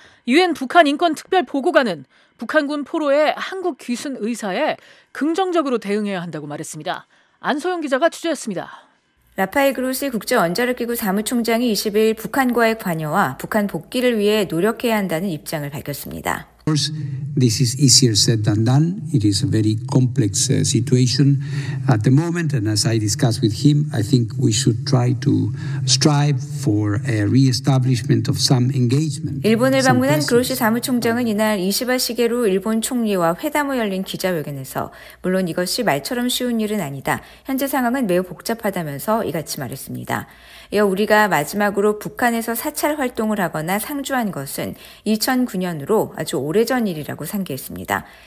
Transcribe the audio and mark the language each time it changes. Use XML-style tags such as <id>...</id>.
<ko>유엔 북한인권특별보고관은 북한군 포로의 한국 귀순 의사에 긍정적으로 대응해야 한다고 말했습니다. 안소영 기자가 취재했습니다. 라파엘 그로시 국제원자력기구 사무총장이 20일 북한과의 관여와 북한 복귀를 위해 노력해야 한다는 입장을 밝혔습니다.</ko> <en>Of course, this is easier said than done. It is a very complex situation at the moment. And as I discussed with him, I think we should try to strive for a re-establishment of some engagement.</en> <ko>일본을 방문한 그로시 사무총장은 이날 이시바 시게루 일본 총리와 회담을 열린 기자회견에서 물론 이것이 말처럼 쉬운 일은 아니다. 현재 상황은 매우 복잡하다면서 이같이 말했습니다. 이어 우리가 마지막으로 북한에서 사찰 활동을 하거나 상주한 것은 2009년으로 아주 오래전 일이라고 상기했습니다.</ko>